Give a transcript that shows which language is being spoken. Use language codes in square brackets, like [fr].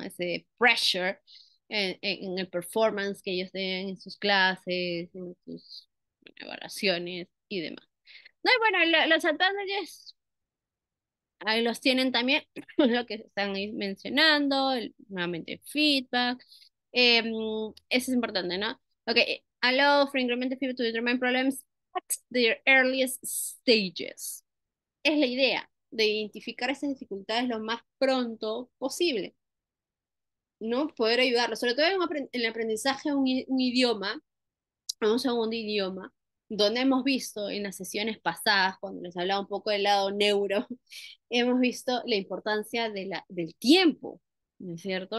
[es] Ese pressure en el performance que ellos tienen en sus clases, en sus evaluaciones y demás. No, y bueno, los advantages ahí los tienen también, lo que están ahí mencionando, nuevamente feedback. Eso es importante, ¿no? [en] Okay, allow for incremental feedback to determine problems at their earliest stages. [es] Es la idea de identificar esas dificultades lo más pronto posible, ¿no? Poder ayudarlos, sobre todo en el aprendizaje de un idioma, un segundo idioma. Donde hemos visto en las sesiones pasadas, cuando les hablaba un poco del lado neuro, hemos visto la importancia del tiempo, ¿no es cierto?